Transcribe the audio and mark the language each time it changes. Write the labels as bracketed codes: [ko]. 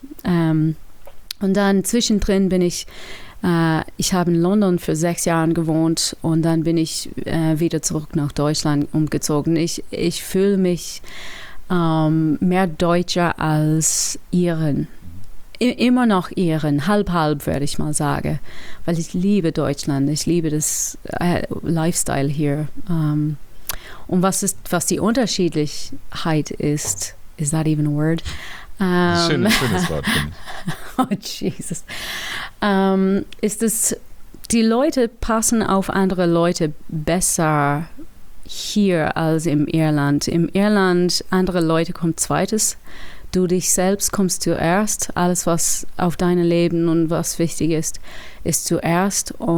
[de] Und dann zwischendrin bin ich ich habe in London für 6 Jahre gewohnt und dann bin ich wieder zurück nach Deutschland umgezogen. Ich fühle mich mehr Deutscher als Iren. Immer noch Iren, halb, würde ich mal sagen. Weil ich liebe Deutschland, ich liebe das Lifestyle hier. Und was die Unterschiedlichkeit ist, [en] is that even a word? [de] Schönes Wort. Oh, Jesus. Ist es, die Leute passen auf andere Leute besser hier als im Irland. Im Irland, andere Leute kommen zweites. Du dich selbst kommst zuerst. Alles, was auf deinem Leben und was wichtig ist, ist zuerst.